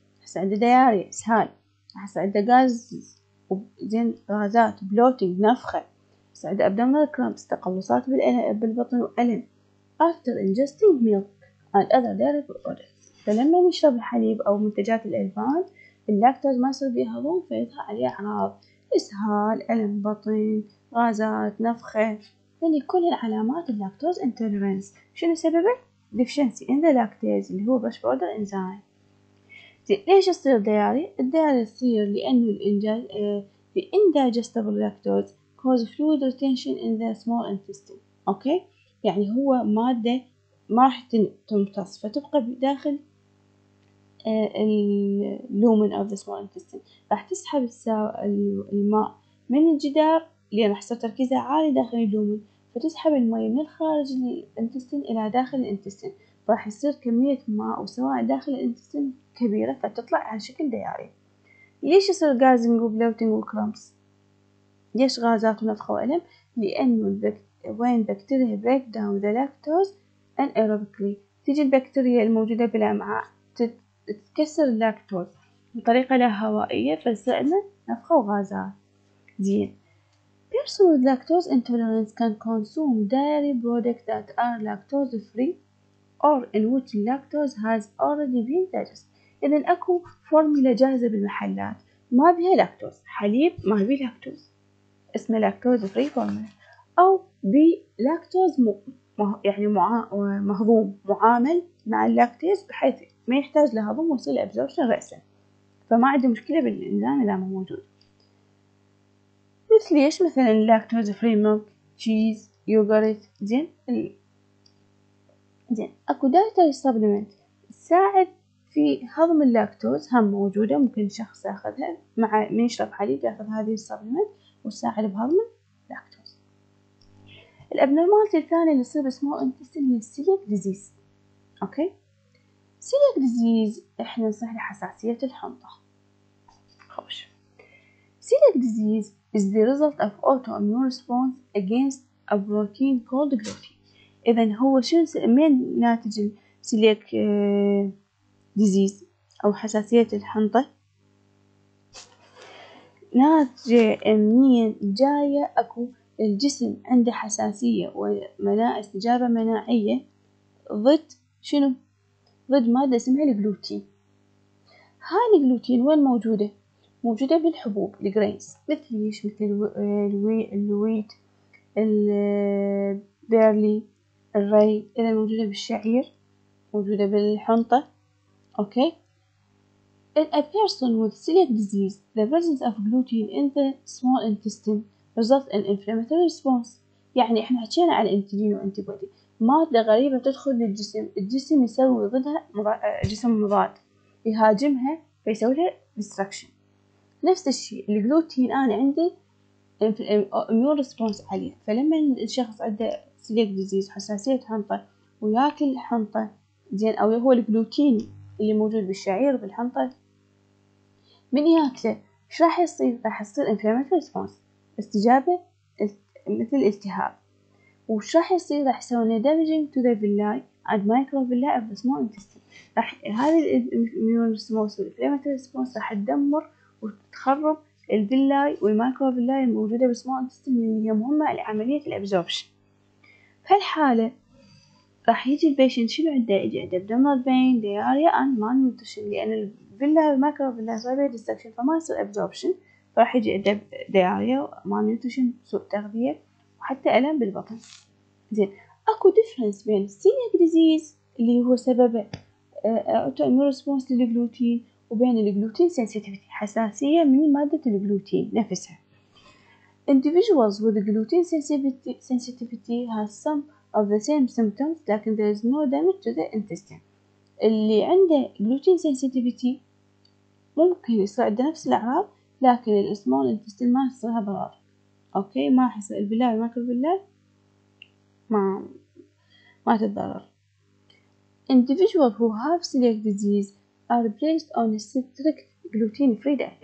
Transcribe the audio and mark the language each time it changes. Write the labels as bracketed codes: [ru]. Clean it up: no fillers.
[ar] حس عنده دياري إسهال، حس عنده غاز، زين غازات بلوتينج نفخة، سعد [en] abdominal cramps [ar] تقلصات بالبطن وألم [en] after ingesting milk and other dairy products. [ar] فلما نشرب الحليب أو منتجات الألبان اللاكتوز ما يصير بيها هضم، فيظهر عليه أعراض إسهال، ألم بطن، غازات، نفخة، يعني كل العلامات اللاكتوز انتوليرنس. شنو سببه؟ [en] deficiency in the lactase [ar] اللي هو [en] brush border enzyme. [ar] ليش يصير دياري؟ الدياري يصير لأنه [en] the indigestible lactose cause fluid retention in the small intestine. [ar] اوكي، يعني هو مادة ما راح تمتص فتبقى داخل اللومن [en] of the small intestine، [ar] راح تسحب الماء من الجدار اللي راح يصير تركيزها عالي داخل اللومن، فتسحب الماء من الخارج الانتستين الى داخل الانتستين، راح يصير كمية ماء وسوائل داخل الانتستين كبيرة فتطلع على شكل دياري. ليش يصير غازنج وبلوتينج وكرامبس؟ ليش غازات ونفخ وألم؟ لأنه وين بكتيريا بريك داون ذا لاكتوز انيروبيكلي، تيجي البكتيريا الموجودة بالأمعاء تكسر اللاكتوز بطريقة لا هوائية، فصرنا نفخ وغازات. زين، [en] person with lactose intolerance can consume dairy products that are lactose free or in which lactose has already been digested. [ar] إذن أكو فورمولا جاهزة بالمحلات ما بيها لاكتوز، حليب ما بيه لاكتوز، اسمه لاكتوز فري فورمولا، أو بي لاكتوز يعني مهضوم معامل مع اللاكتيز بحيث ما يحتاج لهضم ويصير absorption رأسا، فما عنده مشكلة بالإنزيم إذا ما موجود. مثل ايش؟ مثلا لاكتوز فري ميلك، تشيز، يوغرت. زين زين، اكو دايتري سبلمنت تساعد في هضم اللاكتوز، هم موجوده، ممكن شخص ياخذها مع من يشرب حليب، ياخذ هذه السبلمنت وتساعد بهضم اللاكتوز. الابنورمالتي الثانيه اللي تصير بسمو انتستين هي السيليك ديزيز. اوكي، سيليك ديزيز احنا نصح لحساسيه الحنطه. خوش، [en] Celiac disease is the result of autoimmune response against a protein called gluten. [ar] إذا هو شنو من ناتج السيليك ديزيز أو حساسية الحنطة؟ ناتج منين جاية؟ أكو الجسم عنده حساسية ومناعة، استجابة مناعية ضد شنو؟ ضد مادة اسمها الجلوتين. هاي الجلوتين وين موجودة؟ موجودة بالحبوب الجرينز، مثل ايش؟ مثل الويت، البيرلي، الري. اذا موجودة بالشعير، موجودة بالحنطة. [en] Okay, in a person with celiac disease the presence of gluten in the small intestine results in inflammatory response. [ar] يعني احنا حكينا على الانتيجين وانتيبودي، مادة غريبة تدخل للجسم، الجسم يسوي ضدها جسم مضاد يهاجمها فيسوي لها destruction. نفس الشيء الجلوتين انا عندي immune response عليه، فلما الشخص عنده celiac disease حساسية حنطة وياكل حنطة زين، او هو الجلوتين اللي موجود بالشعير بالحنطة من ياكله، ايش راح يصير؟ راح يصير inflammatory response، استجابة مثل التهاب. وايش راح يصير؟ راح يسوي [en] damaging to the villi and microvilli of the small intestine. [ar] راح هذا immune response والinflammatory response راح تدمر وتخرب الفيلاي والمايكروفيلاي الموجودة بالسمول انتستين اللي هي مهمة لعملية الابزوربشن. في الحالة راح يجي البيشنت شنو عنده؟ يجي عنده ابدومينال بين، دياريا، اند مال نيوتريشن، لان الفيلاي والمايكروفيلاي سبب ديستكشن فما يصير ابزوربشن، فراح يجي عنده دياريا ومال نيوتريشن، سوء تغذية، وحتى الم بالبطن. زين، اكو ديفرنس بين السيليك ديزيز اللي هو سببه اوتو ايمون ريسبونس للجلوتين، وبين الجلوتين سنسيتيفيتي، حساسية من مادة الجلوتين نفسها. [en] Individuals with gluten sensitivity has some of the same symptoms [ar] لكن [en] there is no damage to the intestine. [ar] اللي عنده gluten sensitivity ممكن يصير عنده نفس الأعراض لكن السمول انتستين ما يصيرها ضرر. اوكي، ما حس البلاي والمايكروفيلاي ما تتضرر. [en] Individuals who have celiac disease are placed on a strict gluten free diet.